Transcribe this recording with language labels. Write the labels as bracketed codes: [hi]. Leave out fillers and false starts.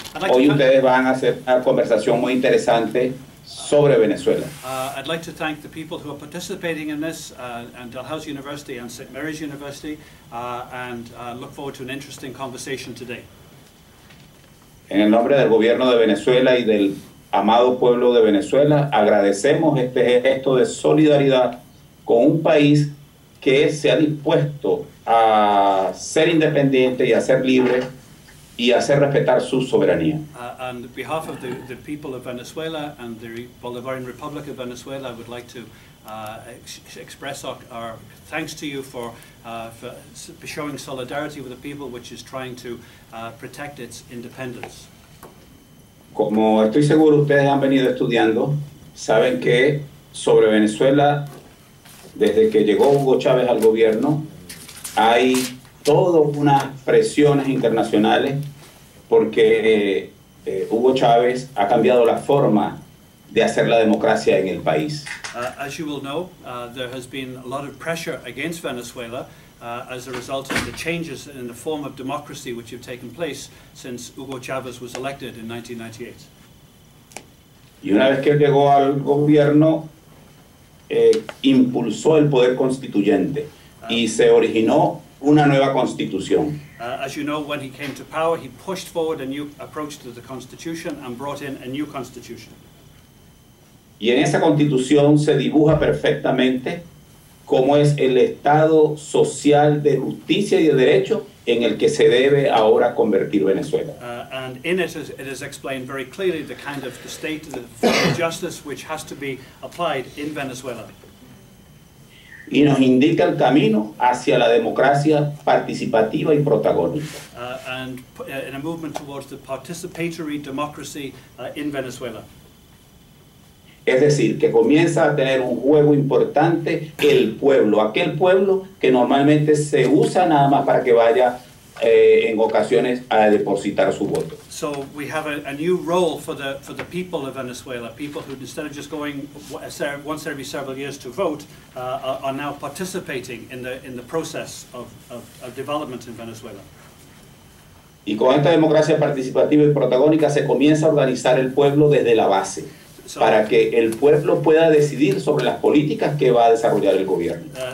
[es] Hoy ustedes van a hacer una conversación muy interesante sobre Venezuela. [en] I'd like to thank the people who are participating in this, and Dalhousie University and St. Mary's University, and look forward to an interesting conversation today. [es] En el nombre del gobierno de Venezuela y del amado pueblo de Venezuela, agradecemos este gesto de solidaridad con un país que se ha dispuesto a ser independiente y a ser libre y hacer respetar su soberanía. [en] On behalf of the people of Venezuela and the Bolivarian Republic of Venezuela, I would like to express our thanks to you for showing solidarity with a people which is trying to protect its independence. [es] Como estoy seguro ustedes han venido estudiando, saben que sobre Venezuela, desde que llegó Hugo Chávez al gobierno, hay todas unas presiones internacionales porque Hugo Chávez ha cambiado la forma de hacer la democracia en el país. [en] As you will know, there has been a lot of pressure against Venezuela as a result of the changes in the form of democracy which have taken place since Hugo Chávez was elected in 1998. [es] Y una vez que llegó al gobierno, impulsó el poder constituyente y se originó una nueva constitución. [en] As you know, when he came to power, he pushed forward a new approach to the constitution and brought in a new constitution. [es] Y en esa constitución se dibuja perfectamente cómo es el estado social de justicia y de derecho en el que se debe ahora convertir Venezuela. [en] And in it, it is explained very clearly the kind of the state of justice which has to be applied in Venezuela. [es] Y nos indica el camino hacia la democracia participativa y protagónica. [en] In a movement towards the participatory democracy in Venezuela. [es] Es decir, que comienza a tener un juego importante el pueblo, aquel pueblo que normalmente se usa nada más para que vaya en ocasiones a depositar su voto. [en] So we have a new role for the people of Venezuela, people who instead of just going once every several years to vote, are now participating in the process of development in Venezuela. [es] Y con esta democracia participativa y protagónica se comienza a organizar el pueblo desde la base. So, para que el pueblo pueda decidir sobre las políticas que va a desarrollar el gobierno.